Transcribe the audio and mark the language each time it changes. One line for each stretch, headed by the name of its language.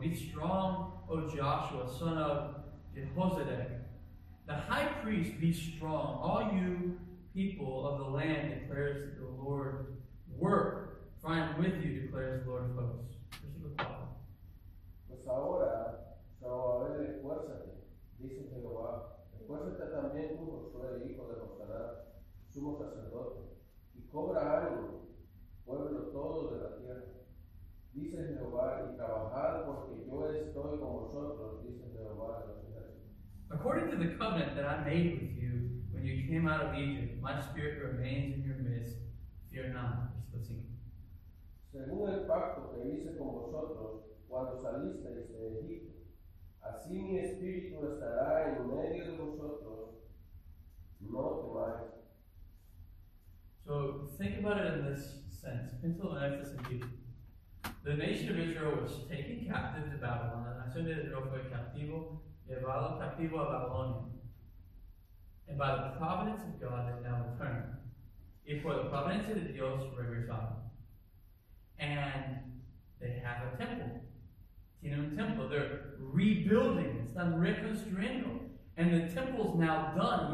English: Be strong, O Joshua, son of Jehozadak. The high priest, be strong. All you people of the land, declares the Lord. Work, for I am with you, declares the Lord of hosts.
Spanish: Pues ahora, Zorobabel, esfuérzate, dice Jehová. Esfuérzate también tú, Josué, hijo de Josadac, sumo sacerdote, y cobra algo, pueblo todo de la tierra. Dice Jehová, y trabajad porque yo estoy con vosotros, dice Jehová.
English: According to the covenant that I made with you when you came out of Egypt, my spirit remains in your midst. Fear not.
Spanish: Según el pacto que hice con vosotros cuando salisteis de Egipto, así mi espíritu estará en medio de vosotros, no temáis.
English: So think about it in this sense, pencil and emphasis in Egypt. The nation of Israel was taken captive to Babylon.
Spanish: La nación de Israel fue captivo, llevado captivo a Babilonia.
English: And by the providence of God, they now return.
Spanish: Y por la providencia de Dios regresaron.
English: And they have a temple.
Spanish: Tienen un templo.
English: They're rebuilding.
Spanish: Están reconstruyendo.
English: And the temple's now done.